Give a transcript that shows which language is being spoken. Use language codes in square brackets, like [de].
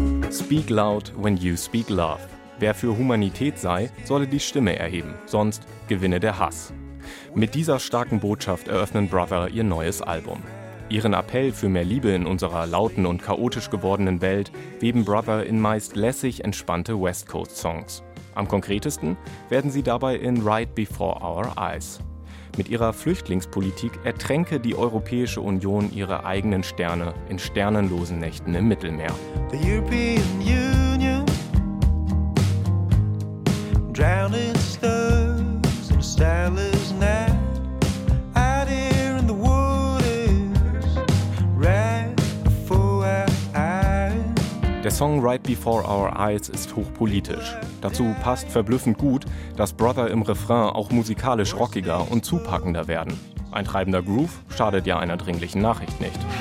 [en] Speak loud when you speak love. [de] Wer für Humanität sei, solle die Stimme erheben, sonst gewinne der Hass. Mit dieser starken Botschaft eröffnen Brother ihr neues Album. Ihren Appell für mehr Liebe in unserer lauten und chaotisch gewordenen Welt weben Brother in meist lässig entspannte West Coast Songs. Am konkretesten werden sie dabei in Right Before Our Eyes. Mit ihrer Flüchtlingspolitik ertränke die Europäische Union ihre eigenen Sterne in sternenlosen Nächten im Mittelmeer. [en] The European Union drowned in stars and starless night. Out here in the waters, right before our eyes. [de] Der Song Right Before Our Eyes ist hochpolitisch. Dazu passt verblüffend gut, dass Brother im Refrain auch musikalisch rockiger und zupackender werden. Ein treibender Groove schadet ja einer dringlichen Nachricht nicht.